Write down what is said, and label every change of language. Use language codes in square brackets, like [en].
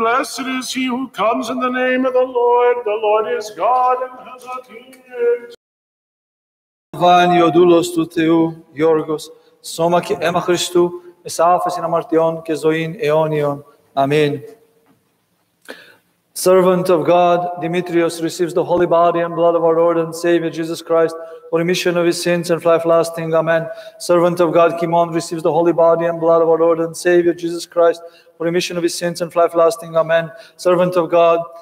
[en] Blessed is he who comes in the name of the Lord. The Lord is God and has a king. [el] Βάνει ο δούλος του Θεού, Γιώργος, σώμα και αίμα Χριστού, εις άφεσιν αμαρτιών και ζωήν αιώνιον. Αμήν. [en] Servant of God, Demetrios receives the holy body and blood of our Lord and Savior, Jesus Christ, for remission of his sins and life lasting. Amen. Servant of God, Kimon receives the holy body and blood of our Lord and Savior, Jesus Christ, for remission of his sins and life lasting. Amen. Servant of God,